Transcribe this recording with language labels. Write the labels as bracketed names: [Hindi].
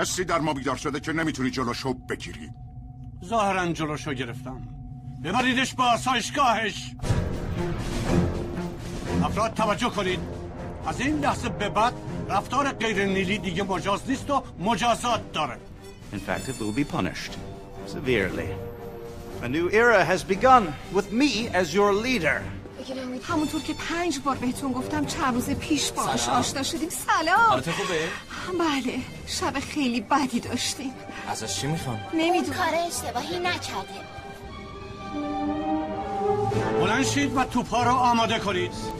[Persian] حسی در ما بیدار شده که نمیتونی جلوشو بگیری. ظاهراً جلوشو گرفتم. ببریدش با آسایشگاهش. افراد توجه کنید، از این لحظه به بعد رفتار غیر نیلی دیگه مجاز نیست و مجازات داره. [English] In fact, it will be punished severely. A new era has begun with me as your leader. [Persian] همونطور که پنج بار بهتون گفتم چند روز پیش باهاش آشنا شدیم. سلام. حالت خوبه؟ بله، شب خیلی بدی داشتیم. ازش چی میخوام؟ نمیدونم. اون کار اشتباهی نکرده. بلند شید و توپا رو آماده کنید.